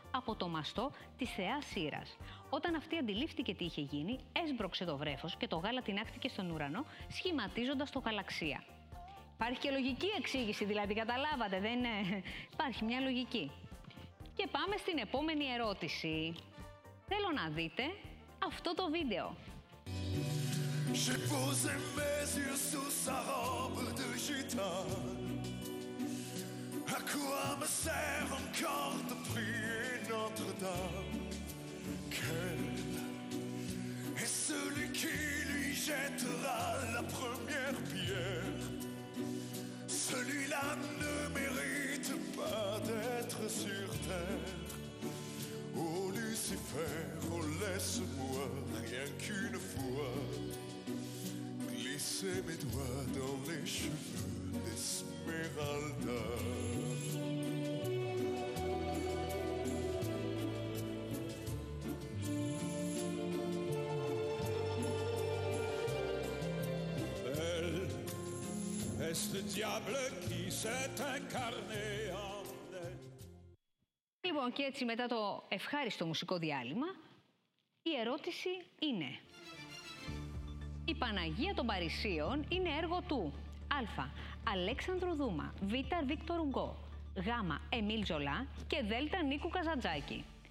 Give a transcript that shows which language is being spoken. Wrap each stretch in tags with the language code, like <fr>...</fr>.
<el>από το μαστό της θεάς Σύρας. Όταν αυτή αντιλήφθηκε τι είχε γίνει, έσπρωξε το βρέφος και το γάλα τεινάχθηκε στον ουρανό, σχηματίζοντας το γαλαξία. Υπάρχει και λογική εξήγηση, δηλαδή, καταλάβατε, δεν είναι. Υπάρχει μια λογική. Και πάμε στην επόμενη ερώτηση. Θέλω να δείτε αυτό το βίντεο.</el> <fr>J'ai posé mes yeux sous sa robe de gitane. À quoi me sert encore de prier Notre-Dame? Quel est celui qui lui jettera la première pierre? Celui-là ne mérite pas d'être sur terre. Ô Lucifer, oh laisse-moi rien qu'une fois. Laissez mes doigts dans les cheveux d'Esmeralda. Elle, est-ce le diable qui s'est incarné en elle?</fr> <el>Λοιπόν, και έτσι μετά το ευχάριστο μουσικό διάλειμμα, η ερώτηση είναι... Η Παναγία των Παρισίων είναι έργο του Α. Αλέξανδρου Δούμα, Β. Βίκτορ Ουγκό, Γ. Εμίλ Ζολά και Δ. Νίκου Καζαντζάκη.</el>